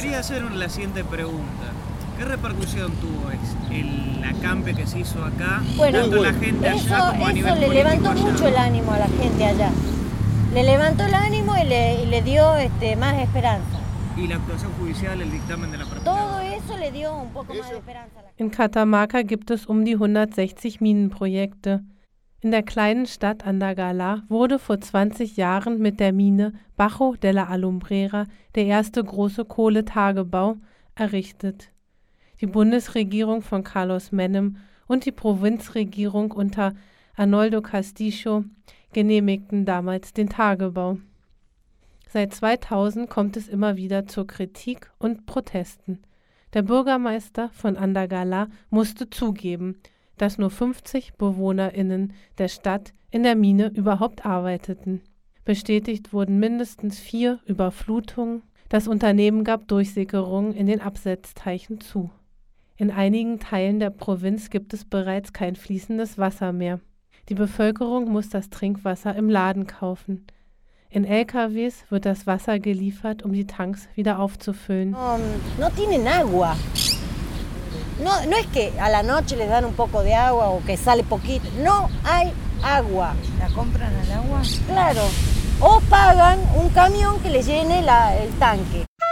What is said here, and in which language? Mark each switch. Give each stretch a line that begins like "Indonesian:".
Spanish: Quería hacer la siguiente pregunta: ¿qué repercusión tuvo el acampe que se hizo acá? Bueno, tanto la gente allá como a nivel político. Eso le levantó mucho el ánimo a la gente allá. Le levantó el ánimo y le dio más esperanza. ¿Y la actuación judicial, el dictamen de la propiedad? Todo eso le dio un poco más de esperanza a la gente. En
German: Catamarca gibt es die 160 Minenprojekte. In der kleinen Stadt Andagala wurde vor 20 Jahren mit der Mine Bajo de la Alumbrera der erste große Kohletagebau errichtet. Die Bundesregierung von Carlos Menem und die Provinzregierung unter Arnoldo Castillo genehmigten damals den Tagebau. Seit 2000 kommt es immer wieder zur Kritik und Protesten. Der Bürgermeister von Andagala musste zugeben, dass nur 50 BewohnerInnen der Stadt in der Mine überhaupt arbeiteten. Bestätigt wurden mindestens 4 Überflutungen. Das Unternehmen gab Durchsickerungen in den Absetzteichen zu. In einigen Teilen der Provinz gibt es bereits kein fließendes Wasser mehr. Die Bevölkerung muss das Trinkwasser im Laden kaufen. In LKWs wird das Wasser geliefert, um die Tanks wieder aufzufüllen.
Spanish: No tienen agua. No, no es que a la noche les dan un poco de agua o que sale poquito. No hay agua. ¿La compran al agua? Claro. O pagan un camión que les llene el tanque.